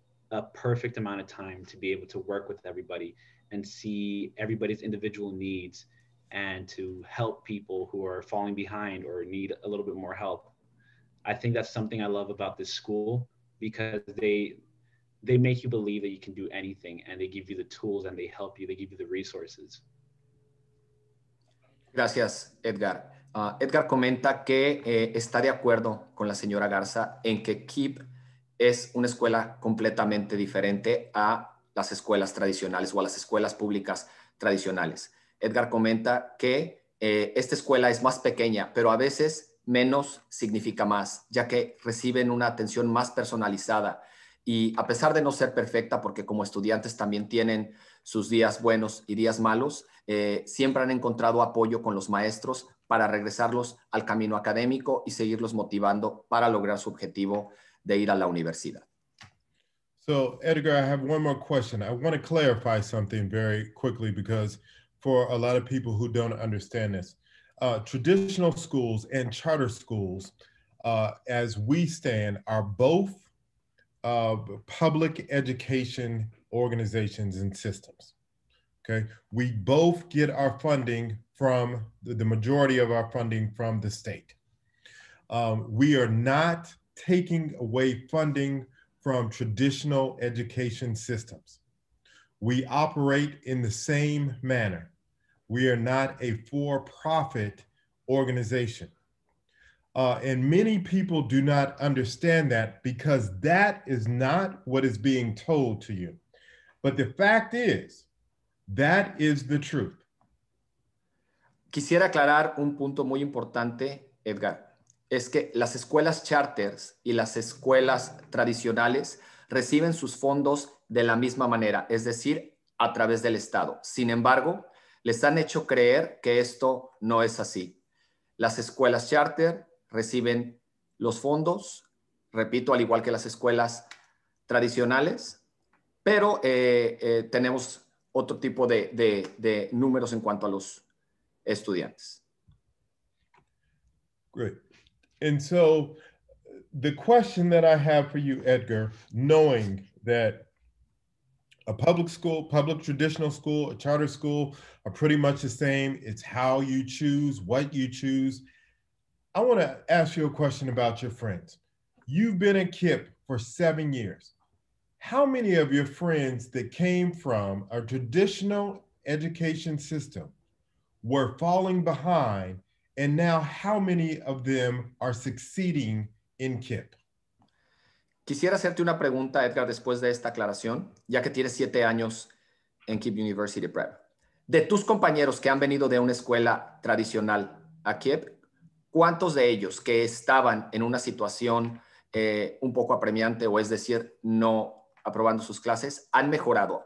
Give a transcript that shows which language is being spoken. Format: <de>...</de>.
<en>a perfect amount of time to be able to work with everybody and see everybody's individual needs and to help people who are falling behind or need a little bit more help. I think that's something I love about this school because they make you believe that you can do anything and they give you the tools and they help you, they give you the resources.</en> <es>Gracias, Edgar. Edgar comenta que está de acuerdo con la señora Garza en que KIPP es una escuela completamente diferente a las escuelas tradicionales o a las escuelas públicas tradicionales. Edgar comenta que esta escuela es más pequeña, pero a veces menos significa más, ya que reciben una atención más personalizada. Y a pesar de no ser perfecta, porque como estudiantes también tienen sus días buenos y días malos, siempre han encontrado apoyo con los maestros para regresarlos al camino académico y seguirlos motivando para lograr su objetivo de ir a la universidad.</es> <en>So, Edgar, I have one more question. I want to clarify something very quickly because for a lot of people who don't understand this, traditional schools and charter schools, as we stand, are both public education organizations and systems. Okay, we both get our funding from the majority of our funding from the state. We are not taking away funding from traditional education systems. We operate in the same manner. We are not a for-profit organization. And many people do not understand that because that is not what is being told to you. But the fact is, that is the truth.</en> <es>Quisiera aclarar un punto muy importante, Edgar. Es que las escuelas charters y las escuelas tradicionales reciben sus fondos de la misma manera, es decir, a través del Estado. Sin embargo, les han hecho creer que esto no es así. Las escuelas charter reciben los fondos, repito, al igual que las escuelas tradicionales, pero tenemos otro tipo de números en cuanto a los estudiantes.</es> <en>Great. And so the question that I have for you, Edgar, knowing that a public school, public traditional school, a charter school are pretty much the same. It's how you choose, what you choose. I want to ask you a question about your friends. you've been at KIPP for 7 years. How many of your friends that came from a traditional education system were falling behind, and now how many of them are succeeding in KIPP?</en> <es>Quisiera hacerte una pregunta, Edgar, después de esta aclaración, ya que tienes 7 años en KIPP University Prep. De tus compañeros que han venido de una escuela tradicional a KIPP, ¿cuántos de ellos que estaban en una situación un poco apremiante, o es decir, no aprobando sus clases, han mejorado?</es>